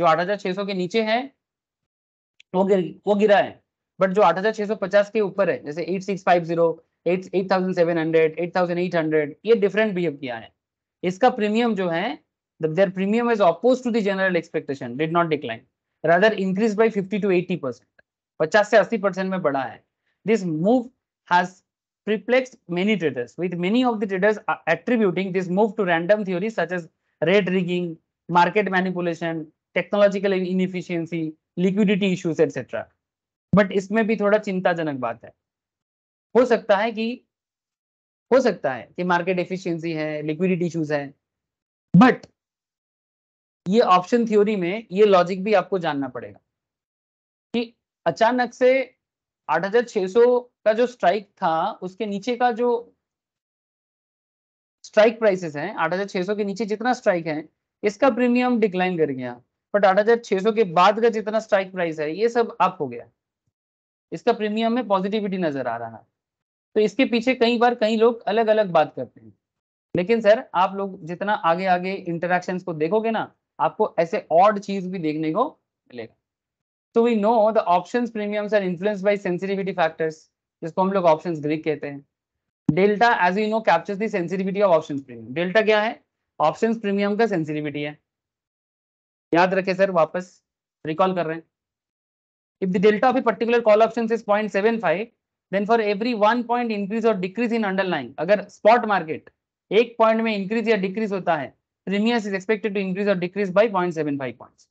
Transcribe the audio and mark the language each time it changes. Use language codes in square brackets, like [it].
[hi] जो 8600 के नीचे है वो गिरा है, बट जो 8650 के ऊपर है, जैसे 8650, 8700, 8800, ये डिफरेंट बिहेव किया है। इसका प्रीमियम जो है, [en] their premium is opposed to the general expectation, did not decline, rather increase by 50-80%, [hi] 50-80% में बढ़ा है। [en] This move has perplexed many traders, with many of the traders attributing this move to random theories such as rate rigging, market manipulation, technological inefficiency, liquidity issues, etc. [hi] But इसमें भी थोड़ा चिंताजनक बात है, हो सकता है कि market efficiency है, liquidity issues है, but ये option theory में ये logic भी आपको जानना पड़ेगा कि अचानक से 8600 का जो स्ट्राइक था उसके नीचे का जो स्ट्राइक प्राइसेस है, 8600 के नीचे जितना स्ट्राइक है इसका प्रीमियम डिक्लाइन कर गया, बट 8600 के बाद का जितना स्ट्राइक प्राइस है ये सब अप हो गया, इसका प्रीमियम में पॉजिटिविटी नजर आ रहा है। तो इसके पीछे कई बार कई लोग अलग अलग बात करते हैं, लेकिन सर आप लोग जितना आगे आगे इंटरेक्शन को देखोगे ना, आपको ऐसे ऑड चीज भी देखने को मिलेगा। [en] So we know the options premiums are influenced by sensitivity factors, [hi] जिसको हम लोग options Greek कहते हैं। [en] Delta, as you know, captures the sensitivity of options premium. [hi] Delta क्या है? Options premium का sensitivity है। याद रखे सर, वापस recall कर रहे हैं। [en] If the delta of a particular call options is 0.75, then for every 1 point increase or decrease in underlying, [hi] अगर spot market 1 point में increase या decrease होता है, [en] premiums is expected to increase or decrease by 0.75 points.